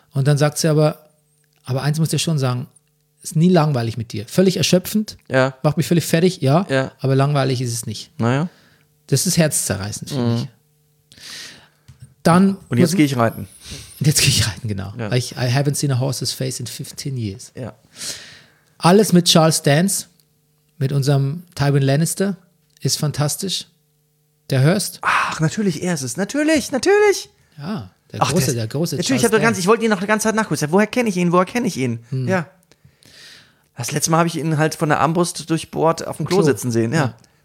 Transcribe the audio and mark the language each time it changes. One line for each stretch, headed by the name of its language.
German: Und dann sagt sie aber eins muss ich schon sagen, ist nie langweilig mit dir. Völlig erschöpfend, macht mich völlig fertig, aber langweilig ist es nicht. Naja. Das ist herzzerreißend, finde ich. Dann und jetzt gehe ich reiten. Und jetzt gehe ich reiten, genau. Ja.
English: I haven't seen a horse's face in 15 years.
German: Ja. Alles mit Charles Dance, mit unserem Tywin Lannister, ist fantastisch. Der Hurst. Ach, natürlich, er ist es. Natürlich. Ja, der große natürlich, Charles Dance. Ich wollte ihn noch eine ganze Zeit nachgucken. Woher kenne ich ihn? Hm. Ja. Das letzte Mal habe ich ihn halt von der Armbrust durchbohrt auf dem Klo sitzen sehen. Ja.